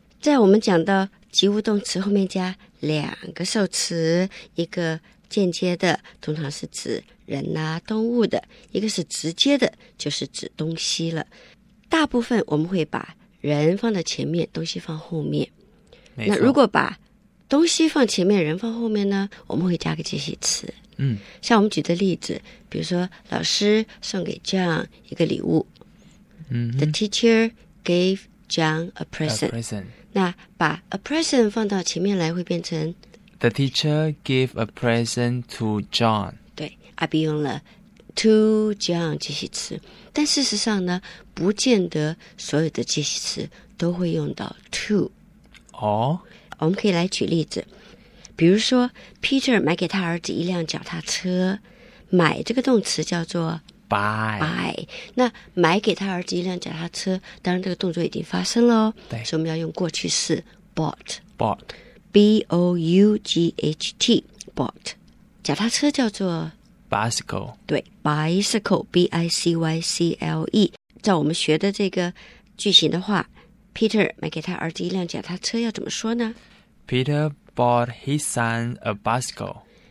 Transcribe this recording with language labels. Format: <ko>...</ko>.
<zh>在我们讲到及物动词后面加两个受词，一个间接的通常是指人啊动物的，一个是直接的就是指东西了。大部分我们会把人放在前面，东西放后面。那如果把东西放前面，人放后面呢，我们会加个介系词。嗯，像我们举的例子，比如说老师送给 John 一个礼物。嗯，</zh> <en>The teacher gave John a present. A present.</en> <zh>那把 a present 放到前面来会变成</zh> <en>The teacher gave a present to John.</en> <zh>对，阿B用了 to John 介系词，但事实上呢，不见得所有的介系词都会用到 to。哦，我们可以来举例子。比如说 Peter 买给他儿子一辆脚踏车，买这个动词叫做</zh> <en>buy</en> <zh>那买给他儿子一辆脚踏车，当然这个动作已经发生了，对，所以我们要用过去式 bought</zh> <en>bought B-O-U-G-H-T bought</en> <zh>脚踏车叫做</zh> <en>bicycle</en> <zh>对 bicycle B-I-C-Y-C-L-E 照我们学的这个句型的话 Peter 买给他儿子一辆脚踏车要怎么说呢？</zh> <en>Peter bought his son a bicycle.</en>